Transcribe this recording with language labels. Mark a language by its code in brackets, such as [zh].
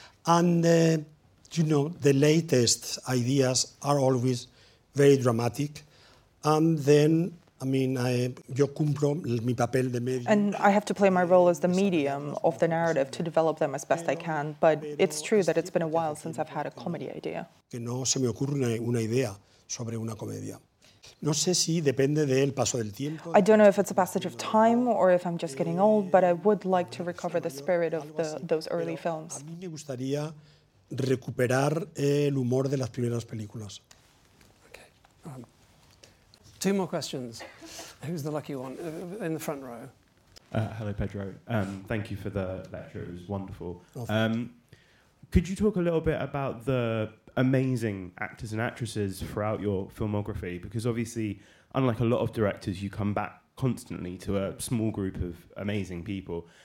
[en] And, you know, the latest ideas are always very dramatic. And then, I mean, [es] yo cumplo mi papel de medio. [en] And I have to play my role as the medium of the narrative to develop them as best I can. But it's true that it's been a while since I've had a comedy idea. [es] Que no se me ocurre una idea sobre una comedia. No sé si depende del paso del tiempo. [en] I don't know if it's a passage of time or if I'm just getting old, but I would like to recover the spirit of those early films. [es] A mí me gustaría recuperar el humor de las primeras películas. [en] Okay. Two more questions. Who's the lucky one in the front row? Hello, Pedro. Thank you for the lecture. It was wonderful. Could you talk a little bit about the amazing actors and actresses throughout your filmography? Because obviously, unlike a lot of directors, you come back constantly to a small group of amazing people.